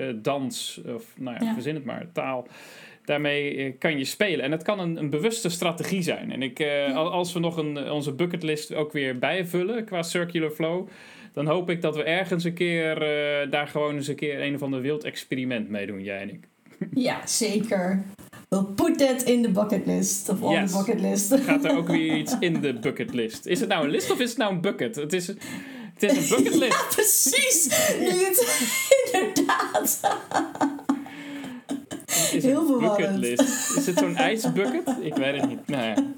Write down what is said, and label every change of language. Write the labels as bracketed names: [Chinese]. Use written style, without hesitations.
[Dutch] Dans of verzin het maar. Taal. Daarmee kan je spelen. En het kan een bewuste strategie zijn. En als we nog onze bucketlist ook weer bijvullen qua circular flow, dan hoop ik dat we ergens een keer daar gewoon eens een keer een of ander wild experiment mee doen, jij en ik. Ja, zeker. [English] We'll put that in the bucket list. [Dutch] Of [English] on the bucket list. [Dutch] Gaat er ook weer iets in de bucket list? Is het nou een list of is het nou een bucket? Het is een bucket list. Ja, precies. Inderdaad. Is heel verwarrend. Is het zo'n ijsbucket? Ik weet het niet. Nou ja.